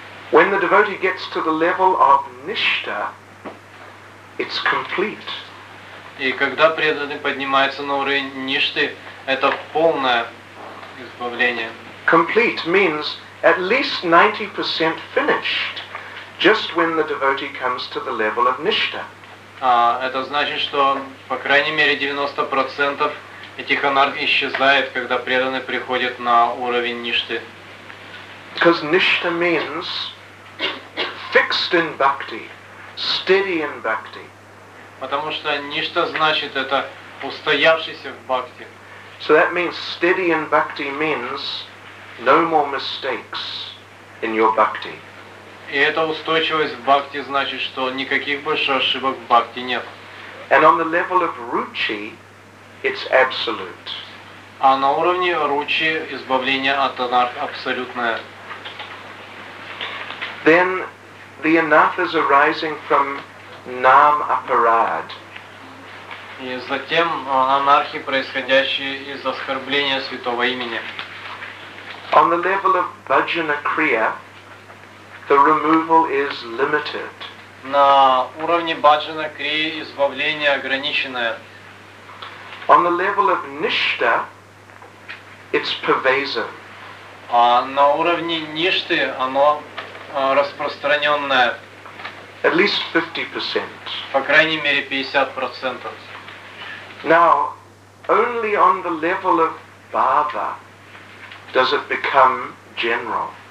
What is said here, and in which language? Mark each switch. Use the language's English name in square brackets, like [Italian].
[English] When the devotee gets to the level of nishta, it's complete. [Russian] И когда преданный поднимается на уровень ништы, это полное избавление. [English] Complete means at least 90% finished, just when the devotee comes to the level of nishta. [Russian] Это значит, что по крайней мере 90% этих анарх исчезает, когда преданный приходит на уровень ништы. [English] Because nishta means fixed in bhakti, steady in bhakti. [Russian] Потому что ништа значит это устоявшийся в бхакти. [English] So that means steady in bhakti means no more mistakes in your bhakti. [Russian] И эта устойчивость в бхакти значит, что никаких больше ошибок в бхакти нет. [English] And on the level of ruchi, it's absolute. [Russian] А на уровне ручи избавление от анарх абсолютное. [English] Then the anathas arising from nam aparad. [Russian] И затем анархи, происходящие из оскорбления святого имени. [English] On the level of bhajana kriya, the removal is limited. [Russian] На уровне баджана крии избавление ограниченное. [English] On the level of ништа, it's pervasive. [Russian] А на уровне ништы оно распространенное. [English] At least 50%. [Russian] По крайней мере 50%. [English] Now, only on the level of bhava does it become general.